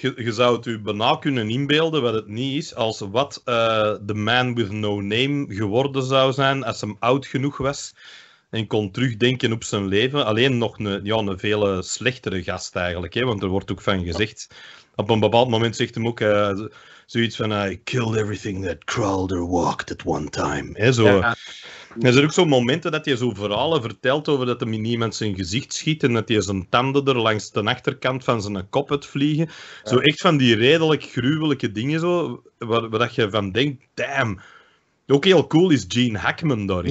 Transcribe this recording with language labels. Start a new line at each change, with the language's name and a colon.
Dutch: Je zou het u bijna kunnen inbeelden wat het niet is. Als wat The Man With No Name geworden zou zijn als hem oud genoeg was en kon terugdenken op zijn leven. Alleen nog een vele slechtere gast eigenlijk. Hè? Want er wordt ook van gezegd... Op een bepaald moment zegt hem ook... Zoiets van,
English: I killed everything that crawled or walked at one time.
Dutch: He, zo. Ja. Er zijn ook zo momenten dat hij zo verhalen vertelt over dat hem in iemand zijn gezicht schiet en dat hij zijn tanden er langs de achterkant van zijn kop uit vliegen. Ja. Zo echt van die redelijk gruwelijke dingen, zo, waar dat je van denkt, damn. Ook heel cool is Gene Hackman daarin.